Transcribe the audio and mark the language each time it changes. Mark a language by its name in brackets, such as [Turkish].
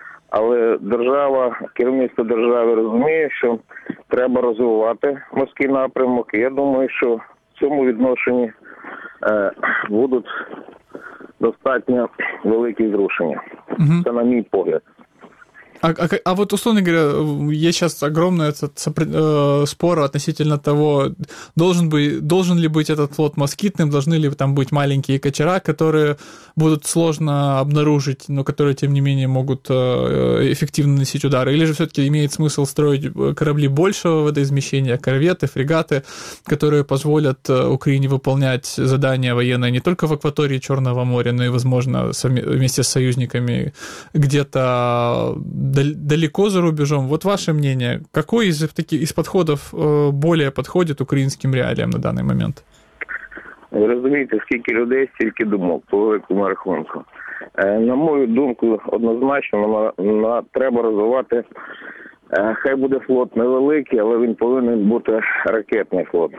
[Ukrainian] Але держава, керівництво держави розуміє, що треба розвивати морський напрямок. Я думаю, що в цьому відношенні будуть достатньо великі зрушення. Угу. Це на мій погляд. [Russian] А вот, условно говоря, есть сейчас огромный спор относительно того, должен ли быть этот флот москитным, должны ли там быть маленькие катера, которые будут сложно обнаружить, но которые, тем не менее, могут эффективно наносить удары, или же все-таки имеет смысл строить корабли большего водоизмещения, корветы, фрегаты, которые позволят Украине выполнять задания военные не только в акватории Черного моря, но и, возможно, вместе с союзниками где-то далеко за рубежом. Вот ваше мнение, какой из подходов более подходит украинским реалиям на данный момент? [Ukrainian] Ви розумієте, скільки людей, стільки думок, по великому рахунку. На мою думку, однозначно, треба розвивати, хай буде флот невеликий, але він повинен бути ракетний флот.